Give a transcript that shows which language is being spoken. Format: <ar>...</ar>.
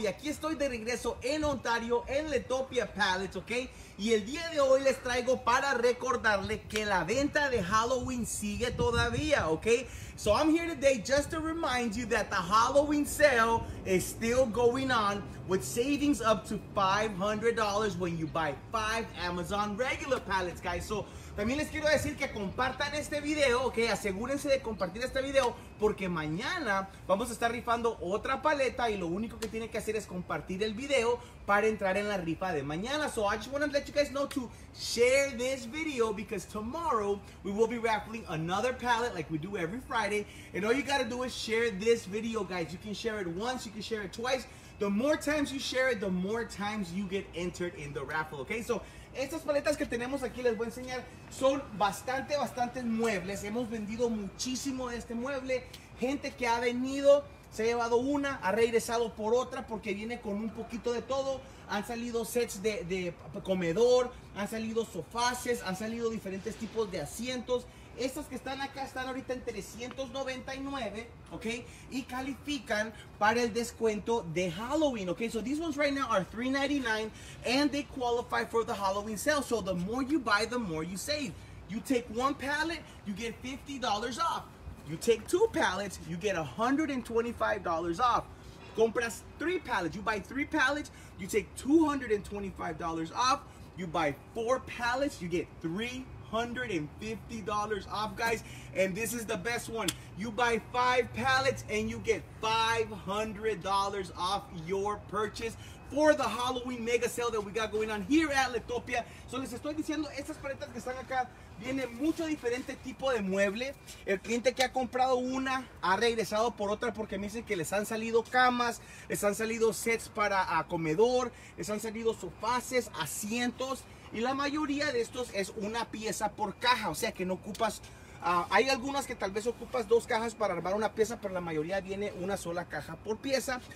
<es>Y aquí estoy de regreso en Ontario, en Letopia Palettes, ¿ok? Y el día de hoy les traigo para recordarle que la venta de Halloween sigue todavía, ¿ok?</es> <en>So I'm here today just to remind you that the Halloween sale is still going on with savings up to $500 when you buy 5 Amazon regular palettes, guys.</en> <es>So también les quiero decir que compartan este video, ok, asegúrense de compartir este video porque mañana vamos a estar rifando otra paleta y lo único que tienen que hacer es compartir el video para entrar en la rifa de mañana.</es> <en>So I just want to let you guys know to share this video because tomorrow we will be raffling another palette like we do every Friday. And all you gotta do is share this video, guys. You can share it once, you can share it twice. The more times you share it, the more times you get entered in the raffle, okay?</en> <es>So, estas paletas que tenemos aquí, les voy a enseñar, son bastante, bastante muebles. Hemos vendido muchísimo de este mueble. Gente que ha venido, se ha llevado una, ha regresado por otra porque viene con un poquito de todo. Han salido sets de comedor, han salido sofaces, han salido diferentes tipos de asientos. Estas que están acá están ahorita en $399, ok, y califican para el descuento de Halloween, ok.</es> <en>So these ones right now are $399 and they qualify for the Halloween sale. So the more you buy, the more you save. You take one pallet, you get $50 off. You take two pallets, you get $125 off.</en> <es>Compras</es> <en>three pallets, you buy three pallets, you take $225 off. You buy four pallets, you get $350 off, guys. And this is the best one. You buy five pallets and you get $500 off your purchase for the Halloween mega sale that we got going on here at Letopia.</en> <es>So les estoy diciendo, estas paletas que están acá vienen mucho diferente tipo de mueble. El cliente que ha comprado una ha regresado por otra porque me dicen que les han salido camas, les han salido sets para comedor, les han salido sofaces, asientos. Y la mayoría de estos es una pieza por caja, o sea que no ocupas, hay algunas que tal vez ocupas dos cajas para armar una pieza, pero la mayoría viene una sola caja por pieza.</es>